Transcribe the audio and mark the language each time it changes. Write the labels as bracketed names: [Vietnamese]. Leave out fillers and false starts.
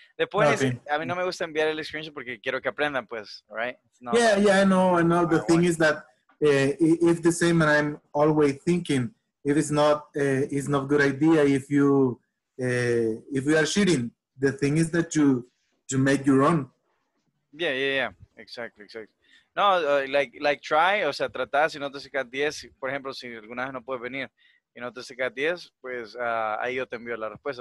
[Spanish] Después, a mí no me gusta enviar el screenshot porque quiero que aprendan, pues, [English] right? Yeah, I know. I know. The thing is that if the same, and I'm always thinking. If it's not a good idea if you are cheating. The thing is that you make your own. Yeah. Exactly. [Spanish] No, [English] like try, [Spanish] o sea, tratar, si no te sacas 10, por ejemplo, si alguna vez no puedes venir, y no te sacas 10, pues ahí yo te envío la respuesta.